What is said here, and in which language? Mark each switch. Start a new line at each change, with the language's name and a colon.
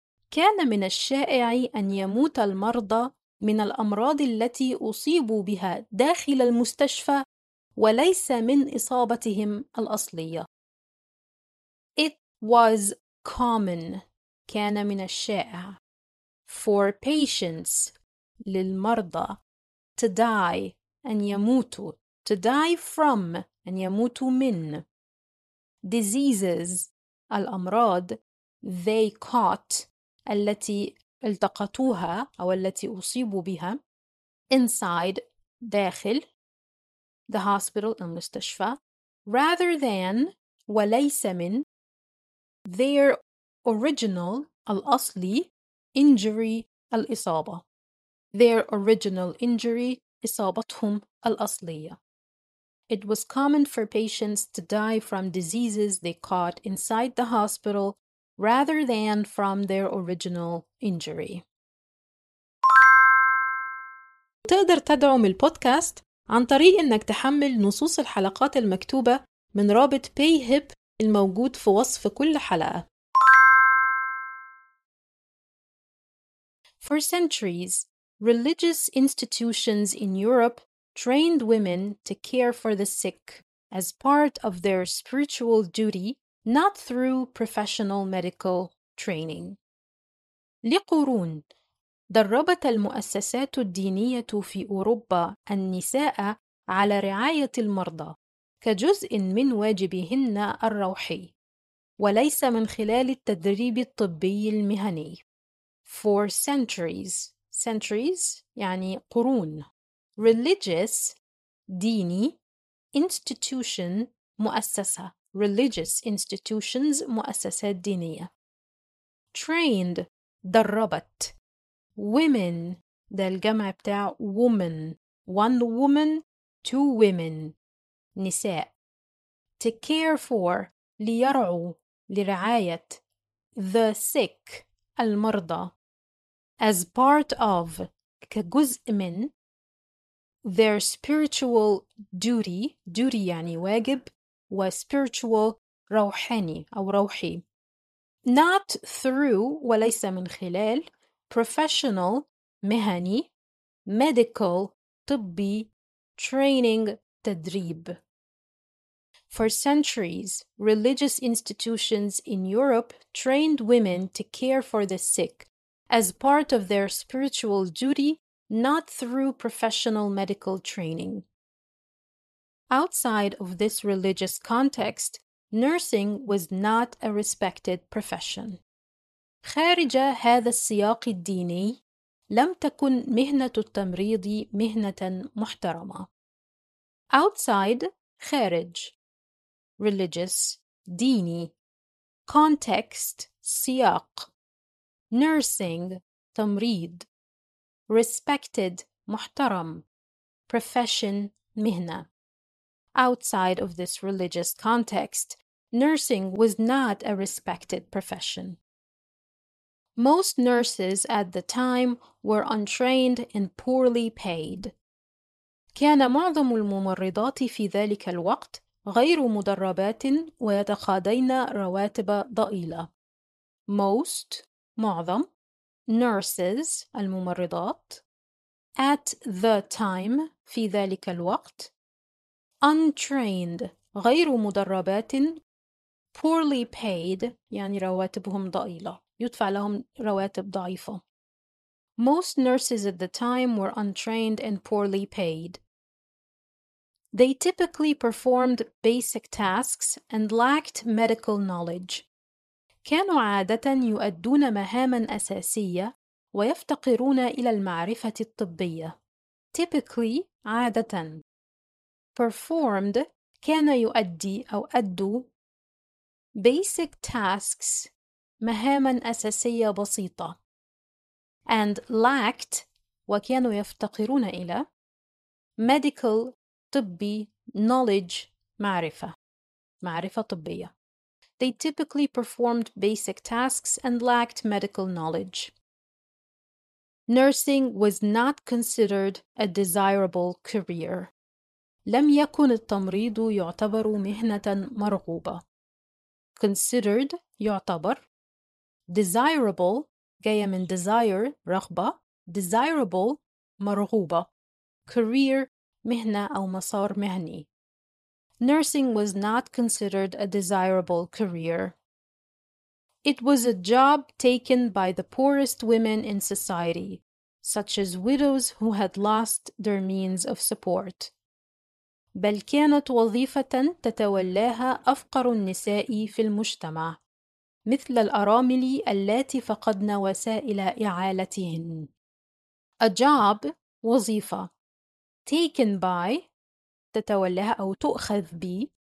Arabic: كان من الشائع أن يموت المرضى من الأمراض التي أصيبوا بها داخل المستشفى وليس من إصابتهم الأصلية.
English: It was common,
Arabic: كان من الشائع.
English: For patients,
Arabic: للمرضى.
English: To die,
Arabic: أن يموتوا.
English: To die from,
Arabic: أن يموتوا من.
English: Diseases,
Arabic: الأمراض.
English: They caught,
Arabic: التي التقطوها أو التي أصيبوا بها.
English: Inside,
Arabic: داخل.
English: The hospital,
Arabic: المستشفى.
English: Rather than,
Arabic: وليس من.
English: Their original,
Arabic: الأصلي.
English: Injury,
Arabic: الإصابة.
English: Their original injury,
Arabic: إصابتهم الأصلية.
English: It was common for patients to die from diseases they caught inside the hospital rather than from their original injury.
Arabic: تقدر تدعم البودكاست عن طريق أنك تحمل نصوص الحلقات المكتوبة من رابط PayHip الموجود في وصف كل حلقة.
English: For centuries, religious institutions in Europe trained women to care for the sick as part of their spiritual duty, not through professional medical training.
Arabic: لقرون دربت المؤسسات الدينية في أوروبا النساء على رعاية المرضى كجزء من واجبهن الروحي وليس من خلال التدريب الطبي المهني.
English: For centuries, centuries
Arabic: يعني قرون.
English: Religious,
Arabic: ديني.
English: Institution,
Arabic: مؤسسة.
English: Religious institutions,
Arabic: مؤسسات دينية.
English: Trained,
Arabic: دربت. Women, ده الجمع بتاع woman.
English: One woman, two women. نساء. To care for,
Arabic: ليرعوا, لرعاية.
English: The sick,
Arabic: المرضى.
English: As part of,
Arabic: كجزء من,
English: their spiritual duty, duty
Arabic: يعني واجب,
English: وspiritual
Arabic: روحاني أو روحي.
English: Not through,
Arabic: وليس من خلال,
English: professional,
Arabic: مهني,
English: medical,
Arabic: طبي,
English: training,
Arabic: تدريب.
English: For centuries, religious institutions in Europe trained women to care for the sick. As part of their spiritual duty, not through professional medical training. Outside of this religious context, nursing was not a respected profession.
Arabic: خارج هذا السياق الديني، لم تكن مهنة التمريض مهنة محترمة.
English: Outside,
Arabic: خارج.
English: Religious,
Arabic: ديني.
English: Context,
Arabic: سياق.
English: Nursing,
Arabic: تمريض.
English: Respected,
Arabic: محترم.
English: Profession,
Arabic: مهنة.
English: Outside of this religious context, nursing was not a respected profession. Most nurses at the time were untrained and poorly paid.
Arabic: كان معظم الممرضات في ذلك الوقت غير مدربات ويتقاضين رواتب ضئيلة.
English: Most,
Arabic: معظم,
English: nurses,
Arabic: الممرضات,
English: at the time,
Arabic: في ذلك الوقت,
English: untrained,
Arabic: غير مدربات,
English: poorly paid,
Arabic: يعني رواتبهم ضئيلة, يدفع لهم رواتب ضعيفة.
English: Most nurses at the time were untrained and poorly paid. They typically performed basic tasks and lacked medical knowledge.
Arabic: كانوا عادة يؤدون مهاما أساسية ويفتقرون إلى المعرفة الطبية.
English: Typically,
Arabic: عادة.
English: Performed,
Arabic: كان يؤدي أو أدوا.
English: Basic tasks,
Arabic: مهاما أساسية بسيطة.
English: And lacked,
Arabic: وكانوا يفتقرون إلى.
English: Medical,
Arabic: طبي,
English: knowledge,
Arabic: معرفة. معرفة طبية.
English: They typically performed basic tasks and lacked medical knowledge. Nursing was not considered a desirable career.
Arabic: لم يكن التمريض يعتبر مهنة مرغوبة.
English: Considered,
Arabic: يعتبر.
English: Desirable,
Arabic: جاية من
English: desire,
Arabic: رغبة.
English: Desirable,
Arabic: مرغوبة،
English: career،
Arabic: مهنة أو مسار مهني.
English: Nursing was not considered a desirable career. It was a job taken by the poorest women in society, such as widows who had lost their means of support.
Arabic: بل كانت وظيفة تتولاها أفقر النساء في المجتمع، مثل الأرامل اللاتي فقدن وسائل إعالتهن.
English: A job،
Arabic: وظيفة.
English: Taken by،
Arabic: تتولاها أو تؤخذ ب.